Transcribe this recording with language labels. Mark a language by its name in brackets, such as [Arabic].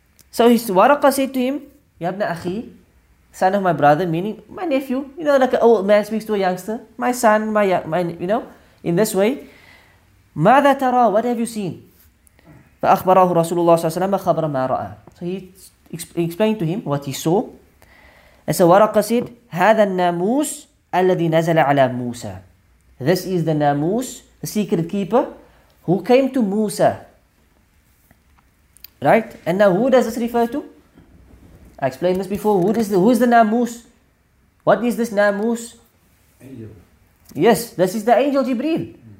[English] So his Waraqa said to him, Ya ibn Akhi, son of my brother, meaning my nephew, you know, like an old man speaks to a youngster, my son, my you know, in this way, [Arabic] ماذا ترى, [English] what have you seen? [Arabic] فأخبره رسول الله صلى الله عليه وسلم خبر ما رأى. [English] So he explained to him what he saw. And so Waraqa said, [Arabic] هذا الناموس الذي نزل على موسى. [English] This is the ناموس, the secret keeper, who came to Musa. Right? And now who does this refer to? I explained this before. Who is the Namus? What is this Namus? Angel. Yes, this is the angel Jibreel.